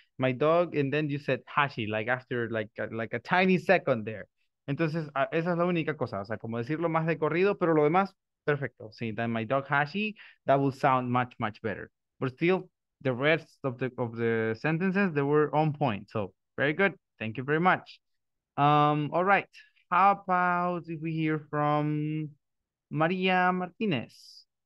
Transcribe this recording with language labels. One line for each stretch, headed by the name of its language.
English: My dog, and then you said Hachi, like after, like a tiny second there.
Spanish: Entonces, esa es la única cosa, o sea, como decirlo más de corrido, pero lo demás, perfecto.
English: Sí, then my dog Hashi, that would sound much, much better. But still, the rest of the sentences, they were on point. So, very good. Thank you very much. All right. How about if we hear from Maria Martinez?